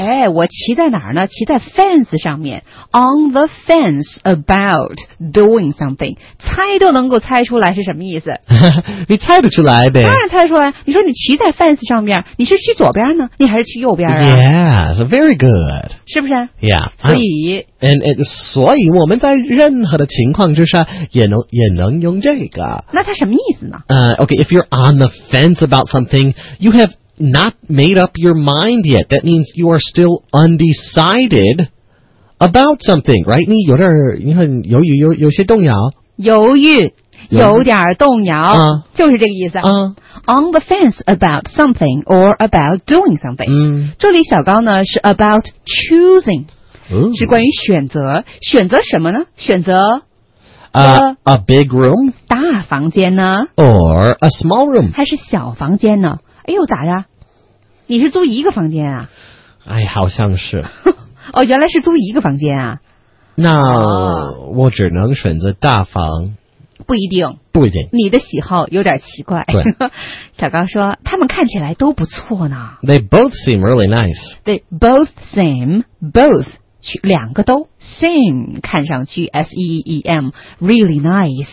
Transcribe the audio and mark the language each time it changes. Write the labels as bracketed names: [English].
[Chinese] 哎，我骑在哪儿呢？骑在 fence 上面。 [English] On the fence about doing something， [Chinese] 猜都能够猜出来是什么意思。你猜得出来呗？当然猜出来。你说你骑在 fence 上面，你是去左边呢，你还是去右边啊 [English] ？Yes, very good。 [Chinese] 是不是 [English] ？Yeah。 [Chinese] 所以，and 所以我们在任何的情况之下，也能用这个。那它什么意思呢？ [English] Okay, if you're on the fence about something, you have not made up your mind yet. That means you are still undecided about something, right? [Chinese] 你有点你很犹豫，有些动摇，犹豫，有点动摇，就是这个意思。 [English] On the fence about something or about doing something. [Chinese] 这里小高呢是 about choosing, 是关于选择，选择什么呢？选择 [English] A big room, [Chinese] 大房间呢 [English] ？Or a small room, [Chinese] 还是小房间呢？哎呦，咋呀？你是租一个房间啊？哎，好像是。哦，原来是租一个房间啊。那我只能选择大房。不一定。不一定。你的喜好有点奇怪。对。小高说，他们看起来都不错呢。 [English] They both seem really nice. They both seem, both, [Chinese] 两个都 [English] seem, [Chinese] 看上去 [English] S-E-E-M, really nice.